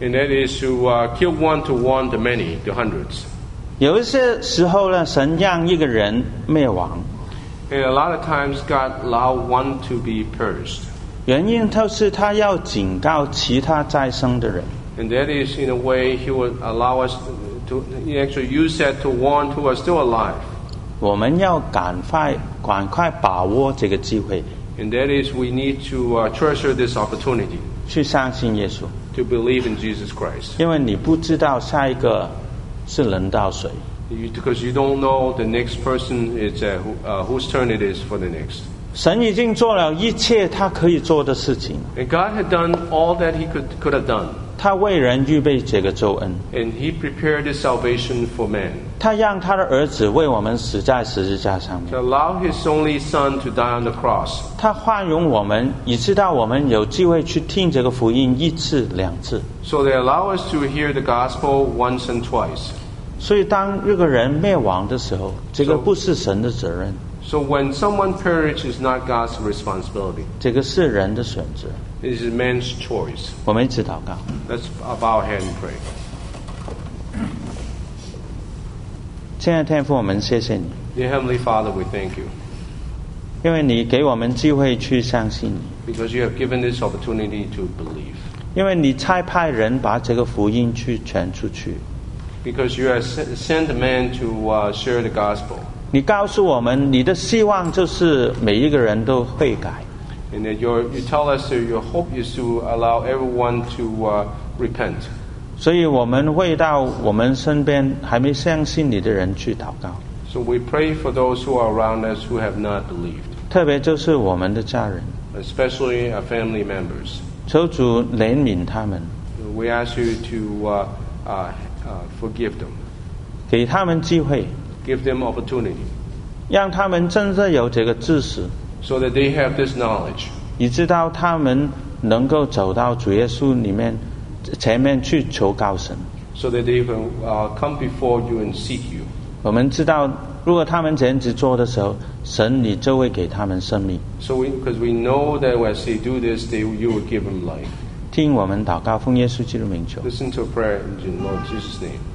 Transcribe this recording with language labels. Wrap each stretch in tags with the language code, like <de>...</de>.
<en>And that is to kill one to warn the many, the hundreds.</en> <zh>有一些时候呢, 神让一个人灭亡。</zh> <en>And a lot of times God allowed one to be perished.</en> <zh>原因就是他要警告其他再生的人。</zh> <en>And that is in a way he would allow us to actually use that to warn who are still alive.</en> <zh>我们要赶快把握这个机会。</zh> <en>And that is we need to treasure this opportunity.</en> <zh>去相信耶稣。</zh> <en>To believe in Jesus Christ.</en> <zh>因为你不知道下一个是轮到谁。</zh> <en>Because you don't know the next person is whose turn it is for the next.</en> <zh>神已经做了一切他可以做的事情。</zh> <en>And God had done all that he could have done.</en> <zh>他为人预备这个救恩。</zh> <en>And he prepared his salvation for man.</en> <zh>他让他的儿子为我们死在十字架上面。</zh> <en>To allow his only son to die on the cross.</en> <zh>他宽容我们，以致到我们有机会去听这个福音一次两次。</zh> <en>So they allow us to hear the gospel once and twice.</en> <zh>所以当一个人灭亡的时候，这个不是神的责任。</zh> <en>So when someone perishes, it's not God's responsibility.</en> <zh>这个是人的选择。</zh> <en>This is man's choice.</en> <zh>我们一起祷告。</zh> <en>Let's bow our head and pray.</en> <zh>亲爱的天父，我们谢谢你。</zh> <en>Dear Heavenly Father, we thank you.</en> <zh>因为你给我们机会去相信你。</zh> <en>Because you have given this opportunity to believe.</en> <zh>因为你差派人把这个福音去传出去。</zh> <en>Because you are sent a man to share the gospel.</en> <zh>你告诉我们，你的希望就是每一个人都悔改。</zh> <en>And that you tell us that your hope is to allow everyone to repent.</en> <zh>所以我们为到我们身边还没相信你的人去祷告。</zh> <en>So we pray for those who are around us who have not believed.</en> <zh>特别就是我们的家人。</zh> <en>Especially our family members.</en> <zh>求主怜悯他们。</zh> <en>We ask you to forgive them.</en> <zh>给他们机会。</zh> <en>Give them opportunity.</en> <zh>让他们真正有这个知识。</zh> <en>So that they have this knowledge.</en> <zh>以知道他们能够走到主耶稣里面前面去求告神。</zh> <en>So that they can come before you and seek you.</en> <zh>我们知道如果他们这样子做的时候，神你就会给他们生命。</zh> <en>So because we know that as they do this, you will give them life.</en> <zh>听我们祷告，奉耶稣基督名求。</zh> <en>Listen to a prayer in Jesus' name.</en>